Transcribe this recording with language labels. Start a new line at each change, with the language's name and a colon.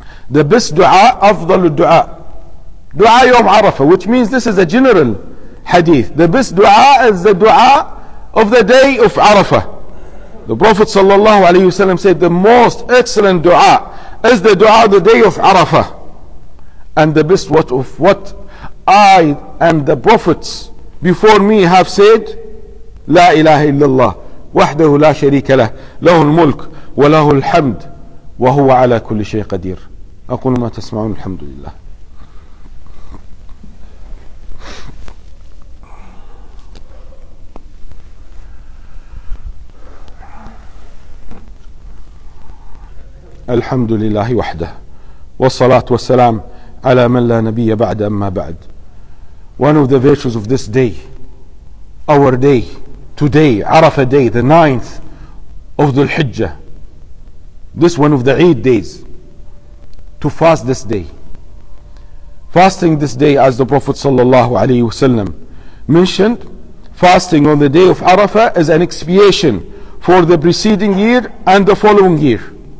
English: The best dua,
Arabic: أفضل الدعاء.
English: Dua
Arabic: يوم عرفة,
English: which means this is a general hadith. The best dua is the dua of the day of Arafah. The Prophet sallallahu alayhi wa sallam said, the most excellent dua is the dua of the day of Arafah. And the best what of what I and the prophets before me have said,
Arabic: لا إله إلا الله وحده لا شريك له له الملك وله الحمد وهو على كل شيء قدير. أقول ما تسمعون الحمد لله. الحمد لله وحده والصلاة والسلام على من لا نبي بعد أما بعد.
English: One of the virtues of this day, our day, today, Arafah day, the 9th of Dhul Hijjah, this one of the Eid days, to fast this day. Fasting this day, as the Prophet sallallahu alayhi wasallam mentioned, fasting on the day of Arafah is an expiation for the preceding year and the following year.